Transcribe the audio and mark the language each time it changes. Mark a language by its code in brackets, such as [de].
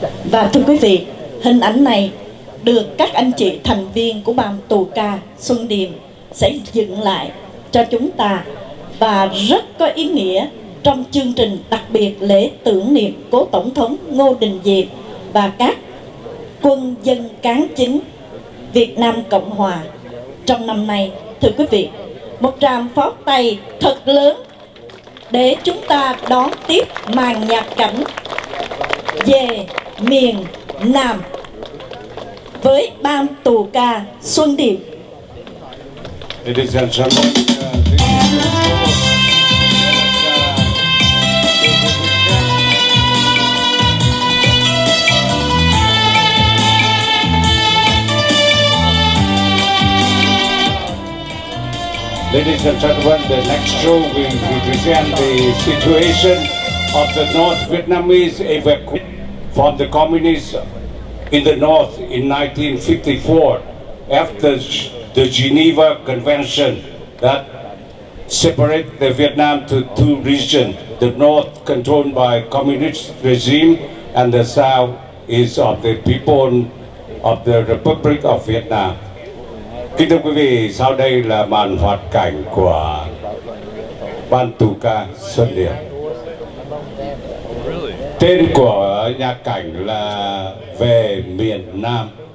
[vi] Và thưa quý vị, hình ảnh này được các anh chị thành viên của ban tù ca Xuân Điềm sẽ dựng lại cho chúng ta, và rất có ý nghĩa trong chương trình đặc biệt lễ tưởng niệm cố tổng thống Ngô Đình Diệm và các quân dân cán chính Việt Nam Cộng Hòa trong năm nay. Thưa quý vị, một tràng pháo tay thật lớn để chúng ta đón tiếp màn nhạc cảnh về miền Nam với ban tù ca Xuân Điềm. [en] Ladies and gentlemen, the next show will present the situation of the North Vietnamese evacuated from the communists in the North in 1954. after the Geneva Convention that separate the Vietnam to two regions, the north controlled by communist regime and the south is of the people of the Republic of Vietnam. [vi] Kính thưa quý vị, sau đây là màn hoạt cảnh của ban tù ca Xuân Điệp. Tên của nhạc cảnh là Về Miền Nam.